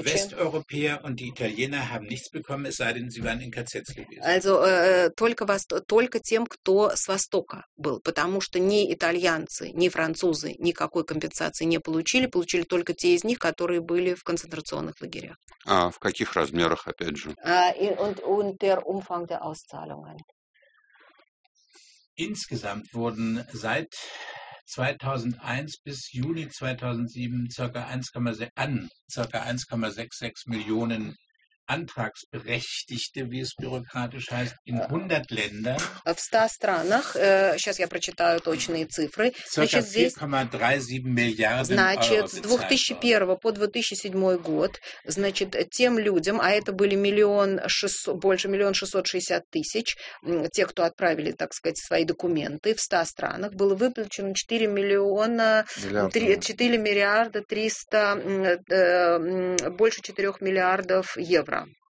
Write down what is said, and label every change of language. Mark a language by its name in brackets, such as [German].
[German] Die Westeuropäer und die Italiener haben nichts bekommen, es sei denn, sie waren in KZs gewesen. Also [Russian] только тем, кто с востока был, потому что ни итальянцы, ни французы никакой компенсации не получили, получили только те из них, которые были в концентрационных лагерях. А в каких размерах, опять же? [German] Und der Umfang der Auszahlungen. Insgesamt wurden seit 2001 bis Juni 2007 ca. 1,66 Millionen Antragsberechtigte, wie es bürokratisch heißt, in 100 Ländern. [Russian] В 100 странах, сейчас я прочитаю точные цифры, значит, здесь 4,37 миллиарда евро. Значит, с 2001 по 2007 год, значит, тем людям, а это были больше 1,660,000, те, кто отправили, так сказать, свои документы в 100 странах, было выплачено 4 миллиарда 300 больше 4 миллиардов евро.